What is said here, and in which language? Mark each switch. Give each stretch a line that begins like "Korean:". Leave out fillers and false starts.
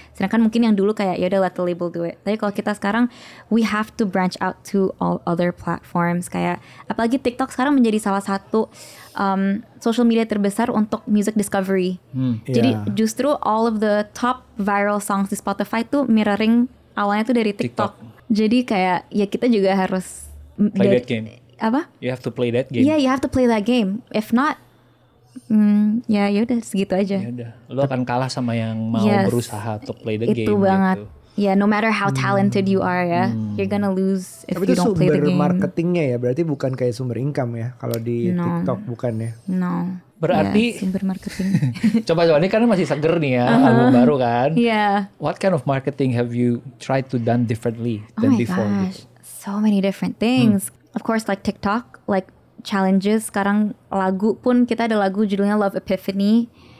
Indonesian: Sedangkan mungkin yang dulu kayak yaudah
English: let the label do it.
Indonesian: Tapi kalau kita sekarang,
English: we have to branch out to all other platforms.
Indonesian: Kayak apalagi TikTok sekarang menjadi salah satu social media terbesar untuk music discovery. Jadi justru
English: all of the top viral songs
Indonesian: di Spotify tuh mirroring awalnya tuh dari TikTok. Jadi kayak ya kita juga harus
English: play that game.
Indonesian: Apa?
English: You have to play that game. Yeah, you have to play that game. If not,
Indonesian: ya yaudah segitu aja. Yaudah, lo akan kalah sama yang mau berusaha untuk
English: play the
Indonesian: itu
English: game.
Indonesian: Itu banget. Gitu.
English: Yeah, no matter how talented you are, ya, you're gonna lose if
Indonesian: tapi
English: you don't play the game.
Indonesian: Tapi itu sumber marketingnya ya, berarti bukan kayak sumber income ya, kalau di TikTok bukan ya?
English: No.
Indonesian: Berarti sumber marketing. Coba-coba ini karena masih seger nih ya, album baru kan?
English: Yeah. What kind of marketing have you tried to done differently than before? Oh my gosh, so many different things. Of course, like TikTok, like challenges.
Indonesian: Sekarang lagu pun kita ada lagu judulnya Love Epiphany.